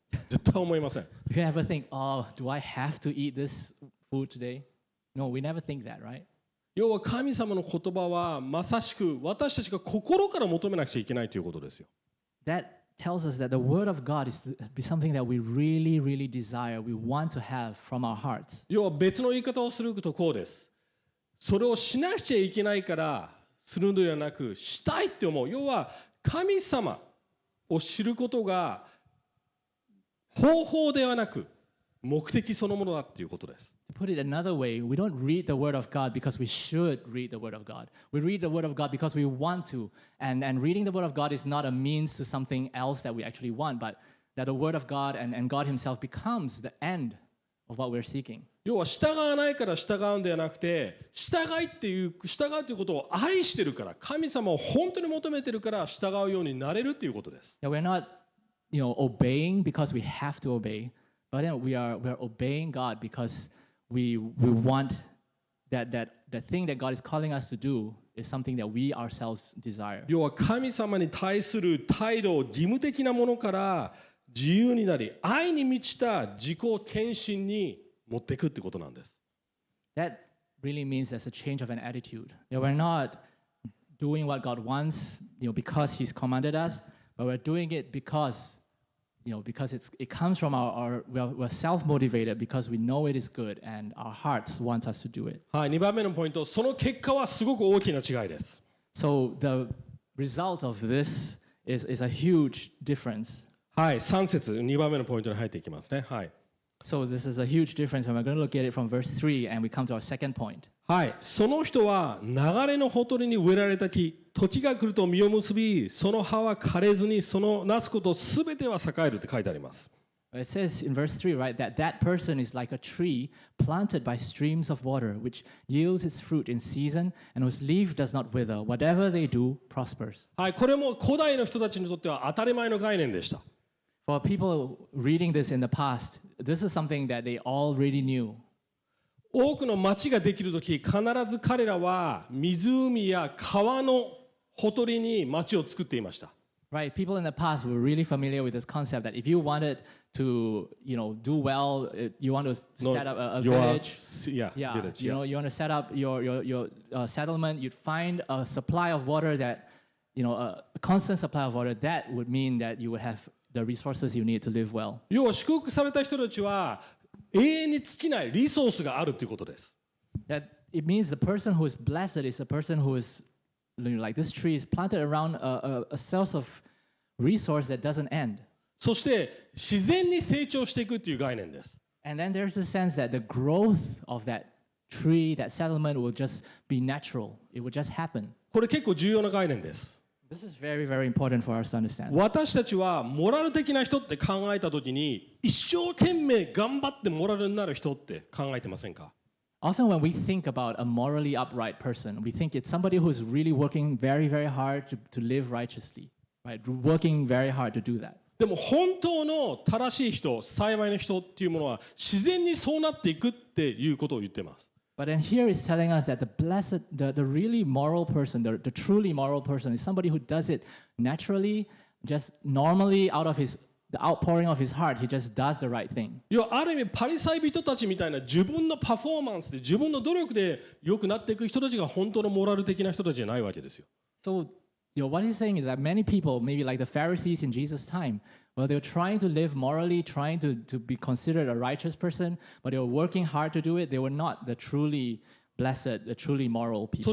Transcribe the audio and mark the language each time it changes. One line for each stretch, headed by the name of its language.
English: You ever think, oh, do I have to eat this food today? No, we never think that, right?
Japanese: 要は神様の言葉はまさしく私たちが心から求めなくちゃいけないということですよ。
English: That tells us that the word of God is to be something that we really, really desire, we want to have from our hearts.
Japanese: 要は別の言い方をするとこうです。それをしなくちゃいけないからするのではなくしたいって思う。要は神様を知ることが方法ではなく目的そのものだっていうことです。
English: To put it another way, we don't read the word of God because we should read the word of God. We read the word of God because we want to. And reading the word of God is not a means to something else that we actually want, but that the word of God and God himself becomes the end of what we're seeking.
Japanese: 要は従わないから従うんではなくて、従うということを愛してるから、神様を本当に求めてるから従うようになれるということです。
English: Yeah, we're not, you know, obeying because we have to obey, but then we're obeying God because we want that thing that God is calling us to do is something that we ourselves desire.
Japanese: 要は神様に対する態度を義務的なものから自由になり、愛に満ちた自己献身に。持っていくってことなんです。
English: That really means there's a change of an attitude. That we're not doing what God wants, you know, because He's commanded us, but we're doing it because, you know, because it comes from we're self-motivated because we know it is good and our hearts want us to do it.
Japanese: はい、2番目のポイント、その結果はすごく大きな違いです。
English: So the result of this is a huge difference.
Japanese: はい、3節、2番目のポイントに入っていきますね。はい。
English: So this is a huge difference, and we're going to look at it from verse 3, and we come to our second point.
Japanese: はい、その人は流れのほとりに植えられた木、時が来ると実を結び、その葉は枯れずに、そのなすことすべては栄えるって書いてあります。
English: It says in verse 3, right, that that person is like a tree planted by streams of water, which yields its fruit in season, and whose leaf does not wither. Whatever they do, prospers.
Japanese: はい、これも古代の人たちにとっては当たり前の概念でした。
English: For people reading this in the past, this is something that they already knew.
Japanese: 多くの町ができるとき、必ず彼らは湖や川のほとりに町を作っていました。
English: Right, people in the past were really familiar with this concept that if you wanted to, you know, do well, you want to set up a village, you know, you want to set up your settlement, you'd find a supply of water that, you know, a constant supply of water, that would mean that you would have the resources you need to live well.
Japanese: 要は祝福された人たちは永遠に尽きないリソースがあるということです。
English: That it means the person who is blessed is a person who is like this tree is planted around a source of resource that doesn't end.
Japanese: そして自然に成長していくという概念です。
English: And then there's a sense that the growth of that tree, that settlement will just be natural. It will just happen.
Japanese: これ結構重要な概念です。
English: This is very, very important for us to understand.
Japanese: 私たちはモラル的な人って考えたときに、一生懸命頑張ってモラルになる人って考えてませんか？
English: Often when we think about a morally upright person, we think it's somebody who is really working very, very hard to live righteously, right? Working very hard to do that.
Japanese: でも本当の正しい人、幸いな人っていうものは自然にそうなっていくっていうことを言ってます。
English: But then here is telling us that the blessed, the really moral person, the truly moral person is somebody who does it naturally, just normally out of the outpouring of his heart, he just does the right thing.
Japanese: いや、ある意味パリサイ人たちみたいな自分のパフォーマンスで自分の努力で良くなっていく人たちが本当のモラル的な人たちじゃないわけですよ。
English: So, you know, what he's saying is that many people, maybe like the Pharisees in Jesus' time, well, they were trying to live morally, trying to be considered a righteous person, but they were working hard to do it. They were not the truly blessed, the truly moral people.